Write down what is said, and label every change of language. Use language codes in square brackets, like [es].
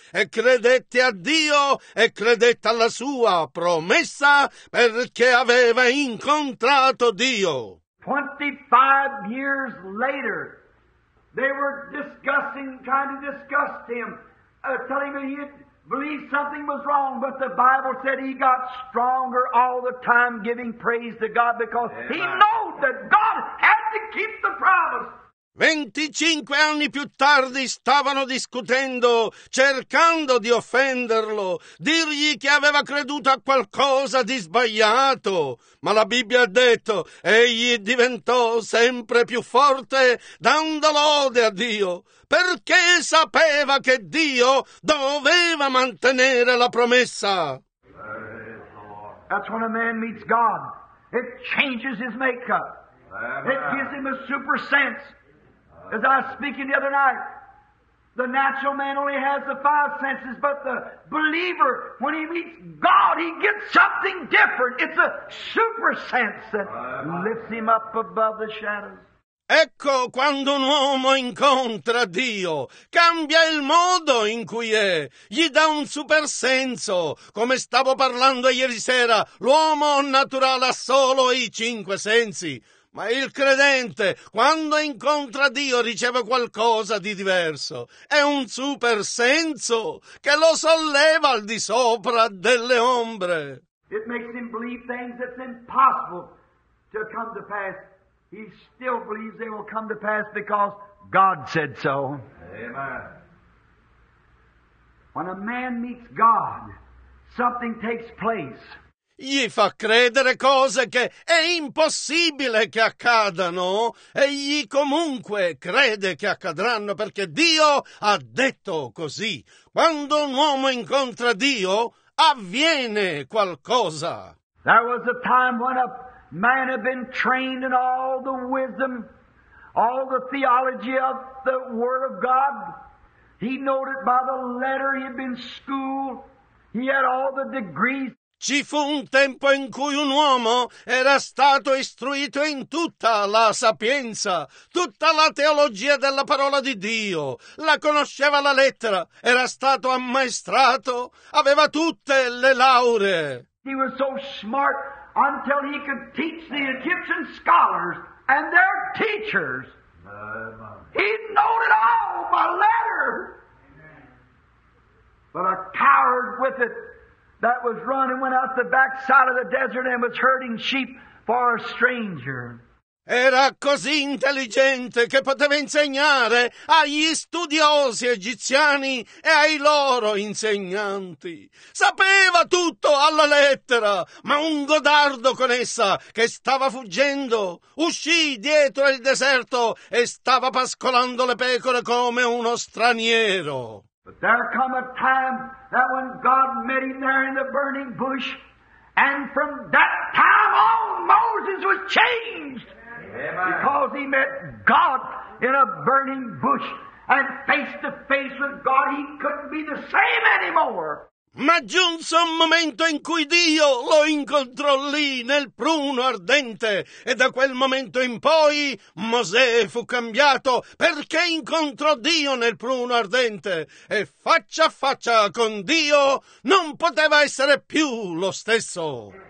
[it] E credette a Dio e credette alla sua promessa perché aveva incontrato Dio. [en] 25 years later. They were discussing, trying to discuss him, telling him he had believed something was wrong, but the Bible said he got stronger all the time giving praise to God because he knew that God had to keep the promise. [it] 25 anni più tardi stavano discutendo, cercando di offenderlo, dirgli che aveva creduto a qualcosa di sbagliato. Ma la Bibbia ha detto, egli diventò sempre più forte, dando lode a Dio, perché sapeva che Dio doveva mantenere la promessa. [en] That's when a man meets God. It changes his makeup. It gives him a super sense. As I was speaking the other night, the natural man only has the five senses, but the believer, when he meets God, he gets something different. It's a super sense that lifts him up above the shadows. [it] Ecco quando un uomo incontra Dio, cambia il modo in cui è, gli dà un super senso. Come stavo parlando ieri sera, l'uomo naturale ha solo i cinque sensi. Ma il credente, quando incontra Dio, riceve qualcosa di diverso. È un super senso che lo solleva al di sopra delle ombre. [en] It makes him believe things that's impossible to come to pass. He still believes they will come to pass because God said so. Amen. When a man meets God, something takes place. [it] Gli fa credere cose che è impossibile che accadano, egli comunque crede che accadranno perché Dio ha detto così. Quando un uomo incontra Dio, avviene qualcosa. [en] There was a time when a man had been trained in all the wisdom, all the theology of the Word of God. He noted by the letter, he had been schooled, he had all the degrees. [it] Ci fu un tempo in cui un uomo era stato istruito in tutta la sapienza, tutta la teologia della parola di Dio, la conosceva la lettera, era stato ammaestrato, aveva tutte le lauree. [en] He was so smart until he could teach the Egyptian scholars and their teachers. He knew it all by letter. But a coward with it that was running went out the back side of the desert and was herding sheep for a stranger. [it] Era così intelligente che poteva insegnare agli studiosi egiziani e ai loro insegnanti. Sapeva tutto alla lettera, ma un godardo con essa che stava fuggendo uscì dietro il deserto e stava pascolando le pecore come uno straniero. [en] But there come a time that when God met him there in the burning bush, and from that time on Moses was changed. Because he met God in a burning bush and face to face with God, he couldn't be the same anymore. [it] Ma giunse un momento in cui Dio lo incontrò lì nel pruno ardente e da quel momento in poi Mosè fu cambiato perché incontrò Dio nel pruno ardente e faccia a faccia con Dio non poteva essere più lo stesso.